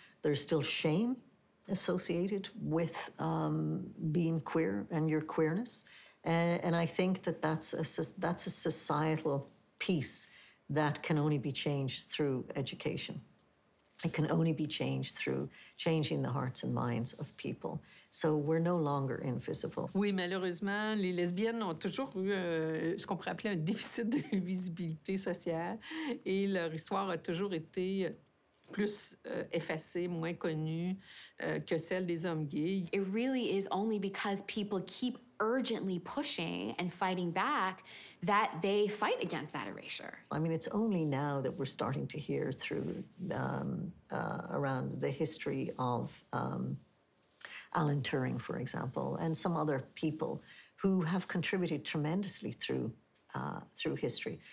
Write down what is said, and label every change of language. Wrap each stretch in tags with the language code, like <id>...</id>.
<en>There's still shame associated with being queer and your queerness. And I think that that's a societal piece that can only be changed through education. It can only be changed through changing the hearts and minds of people. So we're no longer invisible.</en> <fr>Oui, malheureusement, les lesbiennes ont toujours eu ce qu'on pourrait appeler un déficit de visibilité sociale. Et leur histoire a toujours été plus effacée, moins connue que celle des hommes gays.</fr> <en>It really is only because people keep urgently pushing and fighting back that they fight against that erasure. I mean, it's only now that we're starting to hear through around the history of Alan Turing, for example, and some other people who have contributed tremendously through through history.</en>